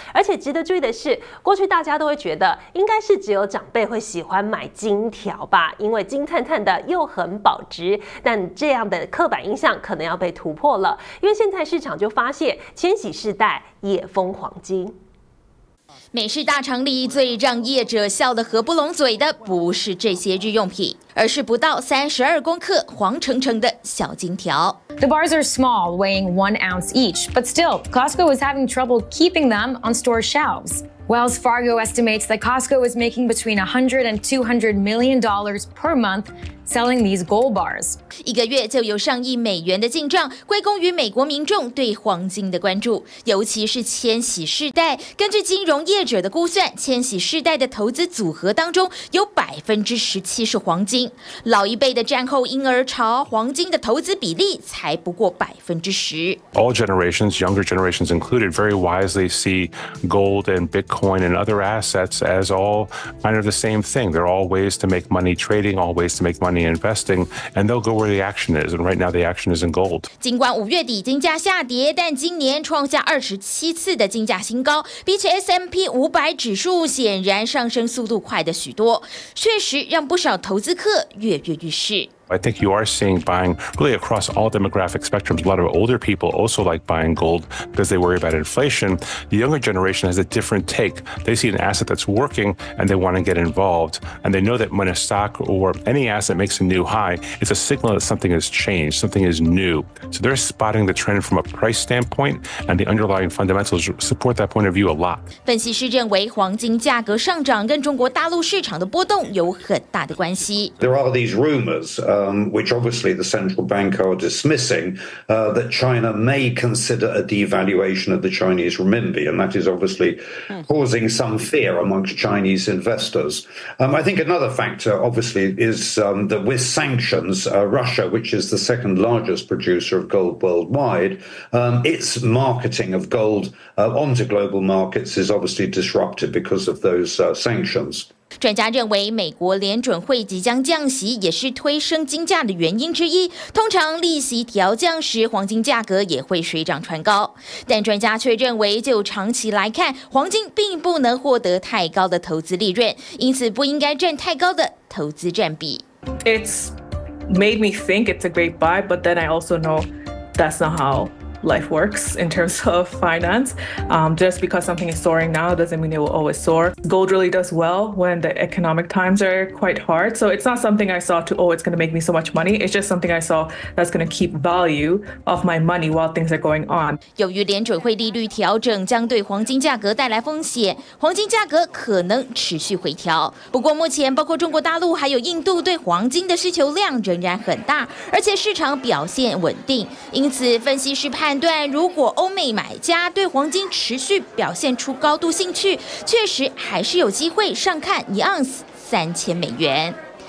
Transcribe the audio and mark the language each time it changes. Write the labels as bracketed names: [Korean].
[Chinese] 而且值得注意的是，过去大家都会觉得应该是只有长辈会喜欢买金条吧，因为金灿灿的又很保值，但这样的刻板印象可能要被突破了，因为现在市场就发现千禧世代也疯黄金。美式大厂里最让业者笑得合不拢嘴的不是这些日用品，而是不到32公克黄澄澄的小金条。 [English] The bars are small, weighing 1 ounce each, but still, Costco was having trouble keeping them on store shelves. Wells Fargo estimates that Costco is making between $100 and $200 million per month selling these gold bars. [Chinese] 一个月就有上亿美元的进账，归功于美国民众对黄金的关注，尤其是千禧世代。根据金融业者的估算，千禧世代的投资组合当中有17%是黄金。老一辈的战后婴儿潮，黄金的投资比例才不过10%。 [English] All generations, younger generations included, very wisely see gold and Bitcoin and other assets as all kind of the same thing. They're all ways to make money trading, all ways to make money investing, and they'll go where the action is. And right now, the action is in gold. [Chinese] 尽管五月底金价下跌，但今年创下27次的金价新高，比起 S&P 500指数显然上升速度快的许多，确实让不少投资客跃跃欲试。 [English] I think you are seeing buying really across all demographic spectrums. A lot of older people also like buying gold because they worry about inflation. The younger generation has a different take. They see an asset that's working and they want to get involved. And they know that when a stock or any asset makes a new high, it's a signal that something has changed, something is new. So they're spotting the trend from a price standpoint and the underlying fundamentals support that point of view a lot. [Chinese] 分析师认为黄金价格上涨跟中国大陆市场的波动有很大的关系。 [English] There are these rumors. Which obviously the central bank are dismissing, that China may consider a devaluation of the Chinese renminbi, and that is obviously causing some fear amongst Chinese investors. I think another factor, obviously, is that with sanctions, Russia, which is the second largest producer of gold worldwide, its marketing of gold onto global markets is obviously disrupted because of those sanctions. [Chinese] 专家认为，美国联准会即将降息也是推升金价的原因之一。通常利息调降时，黄金价格也会水涨船高。但专家却认为，就长期来看，黄金并不能获得太高的投资利润，因此不应该占太高的投资占比。 [English] It's made me think it's a great buy, but then I also know that's not how life works in terms of finance. Just because something is soaring now doesn't mean it will always soar. Gold really does well when the economic times are quite hard. So it's not something I saw to, oh, it's going to make me so much money. It's just something I saw that's going to keep value of my money while things are going on. [Chinese] 由于联准会利率调整将对黄金价格带来风险，黄金价格可能持续回调。不过目前包括中国大陆还有印度对黄金的需求量仍然很大，而且市场表现稳定，因此分析师判断，如果欧美买家对黄金持续表现出高度兴趣，确实还是有机会上看一盎司$3,000。